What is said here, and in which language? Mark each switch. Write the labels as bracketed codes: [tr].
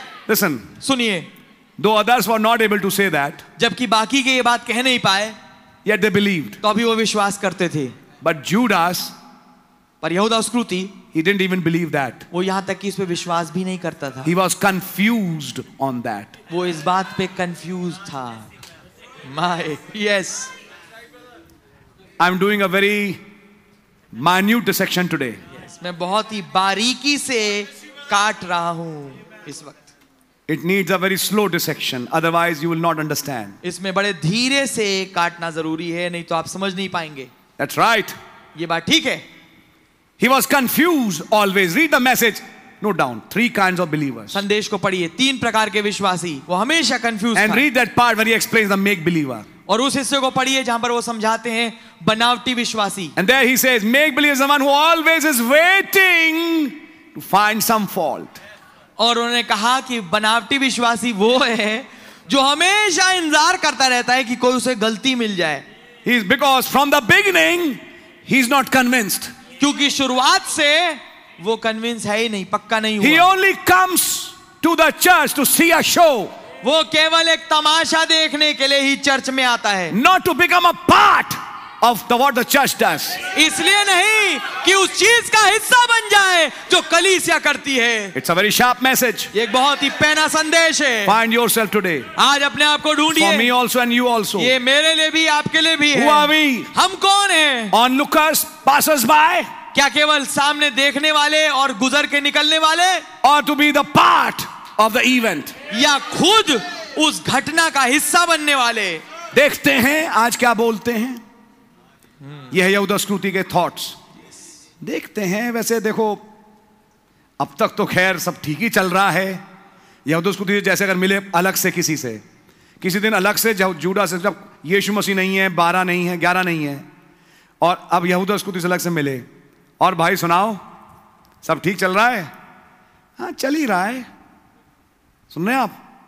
[en] Listen. [hi] सुनिए. [en] Though others were not able to say that. [hi] जबकि बाकी के ये बात कह नहीं पाए. [en] Yet they believed. [hi] तो भी वो विश्वास करते थे. [en] But Judas. [hi] पर यहूदा स्क्रूति, [en] he didn't even believe that. [hi] वो यहां तक कि इस पे विश्वास भी नहीं करता था. [en] He was confused on that. [hi] वो इस बात पे confused था. [en] My yes. I'm doing a very minute dissection today. [hi] Yes, मैं बहुत ही बारीकी से काट रहा हूं इस वक्त. [en] It needs a very slow dissection, otherwise you will not understand. [hi] इसमें बड़े धीरे से काटना जरूरी है, नहीं तो आप समझ नहीं पाएंगे. [en] That's right. [hi] ये बात ठीक है. [en] He was confused always. Read the message. Note down. Three kinds of believers. [hi] संदेश को पढ़िए. तीन प्रकार के विश्वासी. वो हमेशा confused था. [en] And read that part where he explains the make believer. [hi] और उस हिस्से को पढ़िए जहाँ पर वो समझाते हैं बनावटी विश्वासी. [en] And there he says, make believer is the one who always is waiting to find some fault. [hi] और उन्होंने कहा कि बनावटी विश्वासी वो है जो हमेशा इंतजार करता रहता है कि कोई उसे गलती मिल जाए. [en] He is because from the beginning he is not convinced. [hi] क्योंकि शुरुआत से वो कन्विंस है ही नहीं, पक्का नहीं [en] हुआ. He only comes to the church to see a show. [hi] वो केवल एक तमाशा देखने के लिए ही चर्च में आता है. [en] Not to become a part of the what the church does. [hi] इसलिए नहीं कि उस चीज का हिस्सा बन जाए जो कलीसिया करती है. [en] It's a very sharp message. [hi] एक बहुत ही पैना संदेश है. [en] Find yourself today. [hi] आज अपने आप को ढूंढिए. [en] For me also and you also. [hi] ये मेरे लिए भी आपके लिए भी है. [en] Who are we? [hi] हम कौन है? [en] Onlookers, passers-by. [hi] क्या केवल सामने देखने वाले और गुजर के निकलने वाले? [en] Or to be the part of the event. [hi] या खुद उस घटना का हिस्सा बनने वाले? देखते हैं आज क्या बोलते हैं. यह है यहूदा स्क्रूति के थॉट्स. देखते हैं. वैसे देखो अब तक तो खैर सब ठीक ही चल रहा है. यहूदा स्क्रूति जैसे अगर मिले अलग से किसी से, किसी दिन अलग से, जब जूडा से, जब यीशु मसीह नहीं है, बारह नहीं है, ग्यारह नहीं है, और अब यहूदा स्क्रूति से अलग से मिले, और भाई सुनाओ सब ठीक चल रहा है? हाँ चल ही रहा है. सुन रहे हैं आप?